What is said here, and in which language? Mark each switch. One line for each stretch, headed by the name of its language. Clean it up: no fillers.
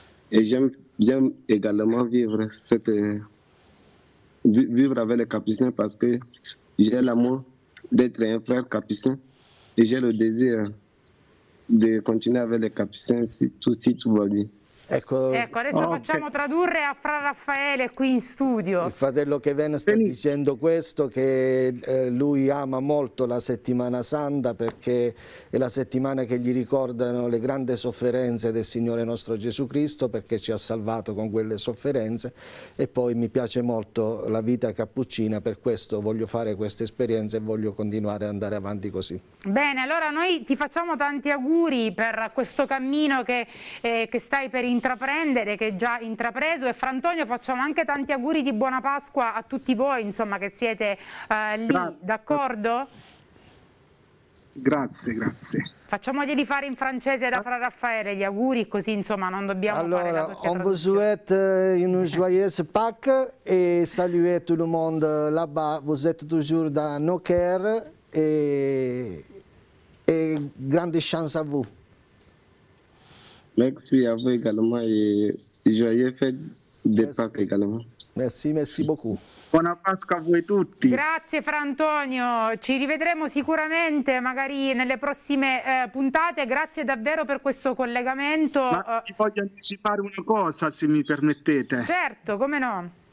French: Et j'aime également vivre cette vivre avec les Capucins parce que j'ai l'amour d'être un frère Capucin et j'ai le désir de continuer avec les Capucins si tout va bien.
Italian: Ecco, adesso facciamo tradurre a Fra Raffaele qui in studio. Il fratello Kevin sta dicendo questo, che lui ama molto la Settimana Santa perché è la settimana che gli ricordano le grandi sofferenze del Signore nostro Gesù Cristo, perché ci ha salvato con quelle sofferenze. E poi mi piace molto la vita cappuccina, per questo voglio fare questa esperienza e voglio continuare ad andare avanti così. Bene, allora noi ti facciamo tanti auguri per questo cammino che stai per intraprendere, che è già intrapreso, e Frantonio facciamo anche tanti auguri di buona Pasqua a tutti voi, insomma, che siete lì, d'accordo? Grazie. Facciamoglieli fare in francese da Fra Raffaele gli auguri, così insomma non dobbiamo allora, fare.
French: Allora, on vous souhaite une joyeuse Pâques et saluez tout le monde là-bas, vous êtes toujours dans nos cœurs et grande chance à vous. Merci à vous également et joyeux fête de Pâques également. Merci beaucoup.
Italian: Buona Pasqua a voi tutti. Grazie Fra Antonio, ci rivedremo sicuramente magari nelle prossime puntate, grazie davvero per questo collegamento. Ma ti voglio anticipare una cosa, se mi permettete. Certo, come no.